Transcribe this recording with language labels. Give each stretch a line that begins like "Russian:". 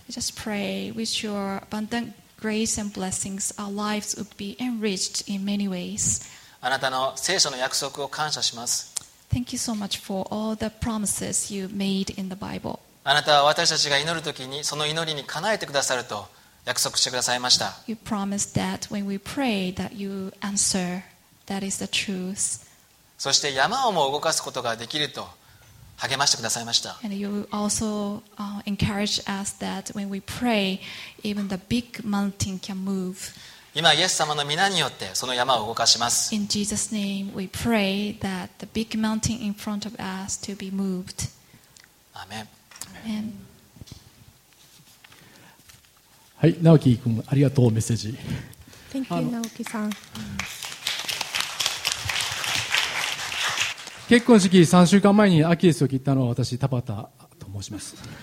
English: Just pray with your abundant grace and blessings our lives would be enriched in many ways.
Japanese: あなたの聖書の約束を感謝します。
English: Thank you so much for all the promises you made in the Bible.
Japanese: あなたは私たちが祈るときにその祈りに叶えてくださると約束してくださいました。
English: You promised that when we pray that you answer. That is the truth.
Japanese: そして山をも動かすことができると励ましてくださいました。
English: And you also encourage us that when we pray, even the big mountain can move.
Japanese: 今イエス様の名によってその山を動かします。
English: In Jesus' name, we pray that the big mountain in front of us to be moved. Amen. Amen.
Japanese: はい、直樹君、ありがとう、メッセージ。
English: Thank you, 直樹さん。
Japanese: 結婚式3週間前にアキレスを切ったのは私、タバタと申します。